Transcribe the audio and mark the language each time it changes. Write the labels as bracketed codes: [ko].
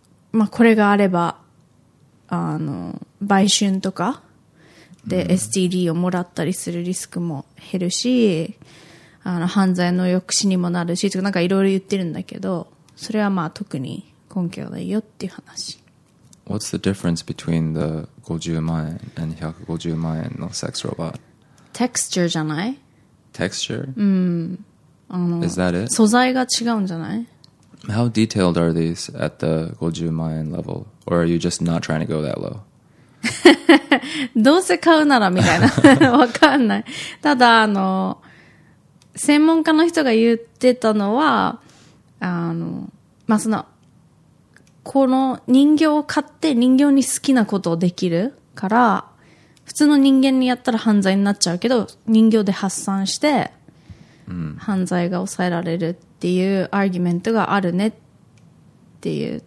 [ja] まあ、これがあれば、あの、売春とかで STD をもらったりするリスクも減るし、あの、犯罪の抑止にもなるし、とかなんかいろいろ言ってるんだけど、それはまあ特に根拠ないよっていう話。 [en] What's the difference between the 50万円 and [ja] 150万円の [en] sex robot? [ja] テクスチャーじゃない？テクスチャー？うん。あの、 [en] Is that it? [ja] 素材が違うんじゃない？ [en] How detailed are these at the 50万円 level? Or are you just not trying to go that low? [ja] どうせ買うならみたいな。わかんない。ただ、あの、専門家の人が言ってたのは、あの、まあ、その、この人形を買って人形に好きなことをできるから、普通の人間にやったら犯罪になっちゃうけど、人形で発散して犯罪が抑えられるっていうアーギュメントがあるねっていう。